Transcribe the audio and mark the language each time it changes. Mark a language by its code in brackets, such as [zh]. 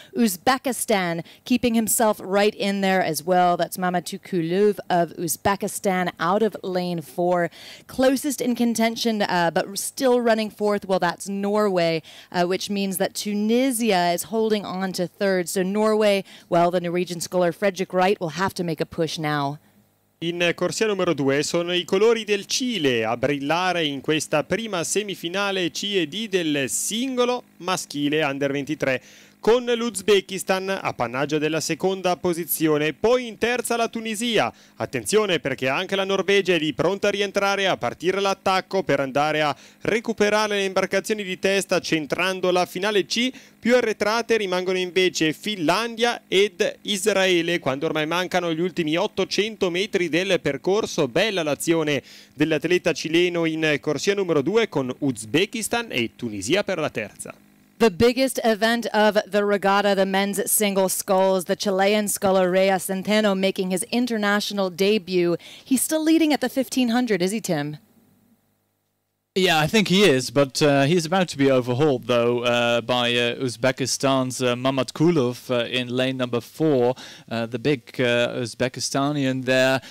[en] Uzbekistan keeping himself right in there as well. That's Mamatou Kulov of Uzbekistan out of lane 4. Closest in contention, but still running fourth. Well, that's Norway, which means that Tunisia is holding on to third. So Norway, well, the Norwegian scholar Fredrik Wright will have to make a push now. [it] In corsia numero 2 sono I colori del Cile a brillare in questa prima semifinale C e D del singolo maschile under 23. Con l'Uzbekistan, appannaggio della seconda posizione, poi in terza la Tunisia. Attenzione perché anche la Norvegia è lì pronta a rientrare, a partire l'attacco per andare a recuperare le imbarcazioni di testa centrando la finale C. Più arretrate rimangono invece Finlandia ed Israele. Quando ormai mancano gli ultimi 800 metri del percorso, bella l'azione dell'atleta cileno in corsia numero 2 con Uzbekistan e Tunisia per la terza. [en] The biggest event of the regatta, the men's single sculls, the Chilean sculler Reyes Centeno making his international debut. He's still leading at the 1500, is he, Tim? Yeah, I think he is, but he's about to be overhauled, though, by Uzbekistan's Mamatkulov in lane number 4, the big Uzbekistanian there.